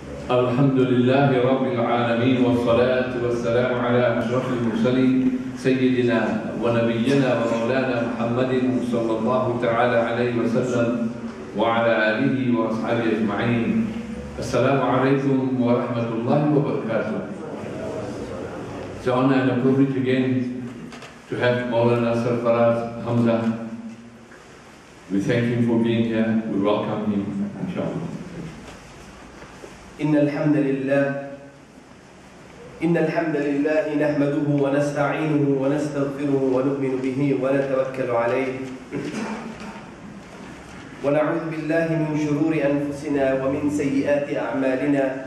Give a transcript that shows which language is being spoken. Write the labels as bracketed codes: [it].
[ar] الحمد لله رب العالمين والصلاة والسلام على أشرف المرسلين سيدنا ونبينا ومولانا محمد صلى الله تعالى عليه وسلم وعلى آله وأصحابه أجمعين. السلام عليكم ورحمة الله وبركاته. [en] It's an honor and a privilege again to have Moulana Sarfaraz Hamza. We thank him for being here. We welcome him, inshallah. [ar] إن الحمد لله إن الحمد لله نحمده ونستعينه ونستغفره ونؤمن به ونتوكل عليه ونعوذ بالله من شرور أنفسنا ومن سيئات أعمالنا